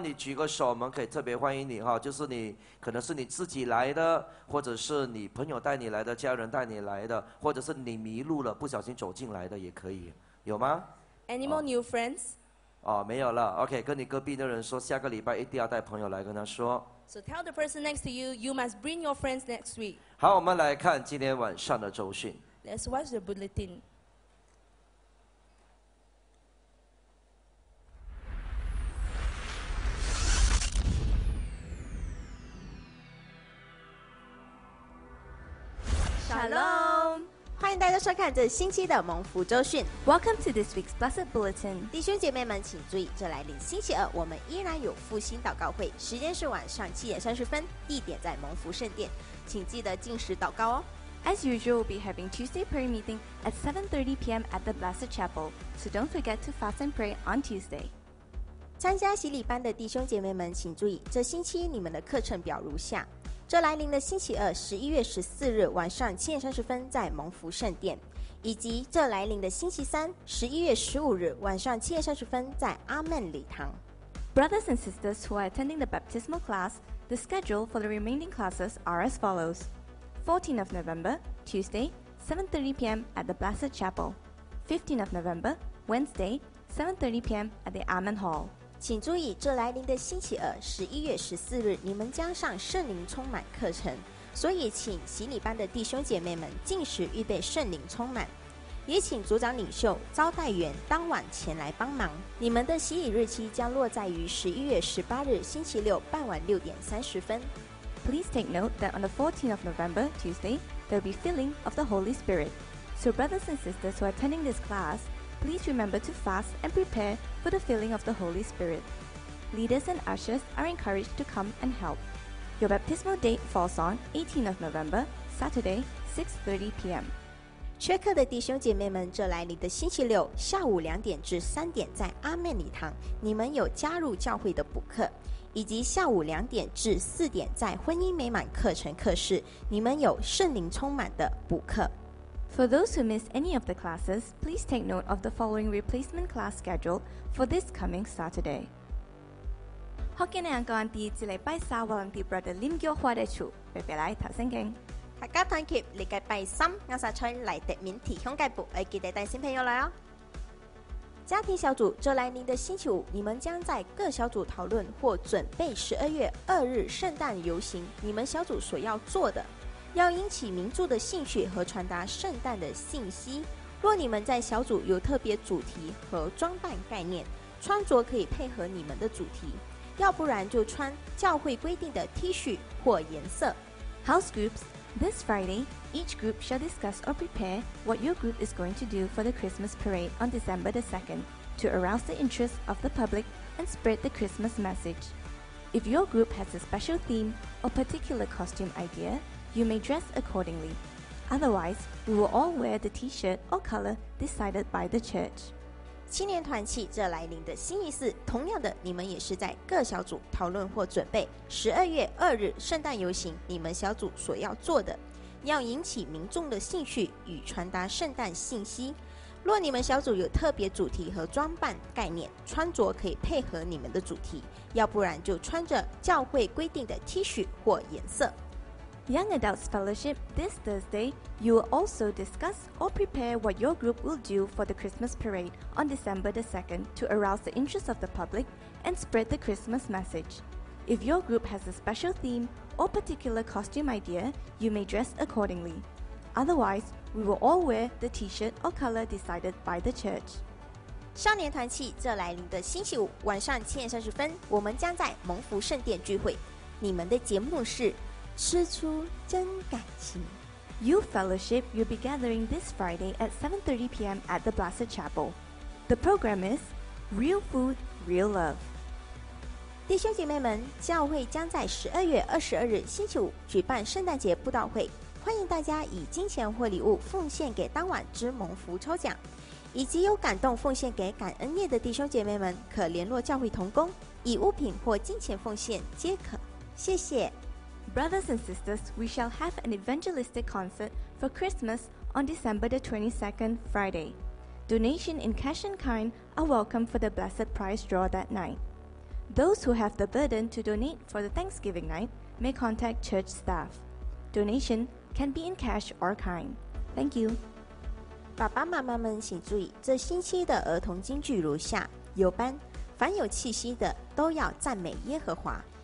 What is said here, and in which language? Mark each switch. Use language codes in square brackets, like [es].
[zh] 你举个手，我们可以特别欢迎你哈。就是你可能是你自己来的，或者是你朋友带你来的，家人带你来的，或者是你迷路了不小心走进来的也可以，有吗？ [en] Any more new friends? [zh] 哦，没有了。 OK， 跟你隔壁的人说，下个礼拜一定要带朋友来，跟他说。 [en] So tell the person next to you, you must bring your friends next week. [zh] 好，我们来看今天晚上的周讯。 [en] Let's watch the bulletin. [zh] 欢迎大家收看这星期的蒙福周讯。 [en] Welcome to this week's Blessed Bulletin. [zh] 弟兄姐妹们，请注意，这来临星期二，我们依然有复兴祷告会，时间是晚上7:30，地点在蒙福圣殿，请记得禁食祷告哦。 [en] As usual, we'll be having Tuesday prayer meeting at 7:30 p.m. at the Blessed Chapel, so don't forget to fast and pray on Tuesday. [zh] 参加洗礼班的弟兄姐妹们，请注意，这星期你们的课程表如下。这来临的星期二11月14日晚上7:30在蒙福圣殿，以及这来临的星期三11月15日晚上7:30在阿曼礼堂。 [en] Brothers and sisters who are attending the baptismal class, the schedule for the remaining classes are as follows: 14th of November, Tuesday, 7:30 p.m. at the Blessed Chapel. 15th of November, Wednesday, 7:30 p.m. at the Amen Hall. [zh] 请注意，这来临的星期二11月14日你们将上圣灵充满课程，所以请洗礼班的弟兄姐妹们禁食预备圣灵充满，也请组长领袖招待员当晚前来帮忙。你们的洗礼日期将落在于11月18日星期六傍晚6:30。 [en] Please take note that on the 14th of November, Tuesday, there will be filling of the Holy Spirit. So brothers and sisters who are attending this classPlease remember to fast and prepare for the filling of the Holy Spirit. Leaders and ushers are encouraged to come and help. Your baptismal date falls on 18th of November, Saturday, 6:30 p.m. [zh] 缺课的弟兄姐妹们，这来临的星期六下午2:00 [en] to [zh] 3:00在阿曼礼堂，你们有加入教会的补课，以及下午2:00 to 4:00在婚姻美满课程课室，你们有圣灵充满的补课。 [en] For those who miss any of the classes, please take note of the following replacement class schedule for this coming Saturday. Hokkien and Angkoran di jilai bai sa walang di brother Lim Gyo Hwa de chu. Bye bye lai, tau seng keng. Haka tan kip, li gai bai sam, ngan sa chun lai de min ti hiong gai bu, ai ki de dan xin pen yo lai o. [zh] 家庭小组，这来临的星期五，你们将在各小组讨论或准备12月2日圣诞游行，你们小组所要做的。要引起民众的兴趣和传达圣诞的信息。若你们在小组有特别主题和装扮概念，穿着可以配合你们的主题，要不然就穿教会规定的 T 恤或颜色。 [en] House groups, this Friday, each group shall discuss or prepare what your group is going to do for the Christmas parade on December the 2nd to arouse the interest of the public and spread the Christmas message. If your group has a special theme or particular costume idea,You may dress accordingly. Otherwise, we will all wear the T-shirt or color decided by the church. [zh] 青年团契这来临的星期四，同样的，你们也是在各小组讨论或准备12月2日圣诞游行，你们小组所要做的，要引起民众的兴趣与传达圣诞信息。若你们小组有特别主题和装扮概念，穿着可以配合你们的主题，要不然就穿着教会规定的 T-shirt 或颜色。 [en] Young Adults Fellowship, this Thursday, you will also discuss or prepare what your group will do for the Christmas parade on December the 2nd to arouse the interest of the public and spread the Christmas message. If your group has a special theme or particular costume idea, you may dress accordingly. Otherwise, we will all wear the T-shirt or color decided by the church. [zh] 少年团契，这来临的星期五晚上7:30，我们将在蒙福圣殿聚会。你们的节目是。吃出真感情。 [en] Youth Fellowship will be gathering this Friday at 7:30 p.m. at the Blessed Chapel. The program is Real Food, Real Love. [zh] 弟兄姐妹们，教会将在12月22日星期五举办圣诞节布道会，欢迎大家以金钱或礼物奉献给当晚之蒙福抽奖，以及有感动奉献给感恩夜的弟兄姐妹们，可联络教会同工，以物品或金钱奉献皆可。谢谢。 [en] Brothers and sisters, we shall have an evangelistic concert for Christmas on December the 22nd, Friday. Donation in cash and kind are welcome for the blessed prize draw that night. Those who have the burden to donate for the Thanksgiving night may contact church staff. Donation can be in cash or kind. Thank you. [zh] 爸爸妈妈们请注意，这星期的儿童金句如下，有班，凡有气息的都要赞美耶和华。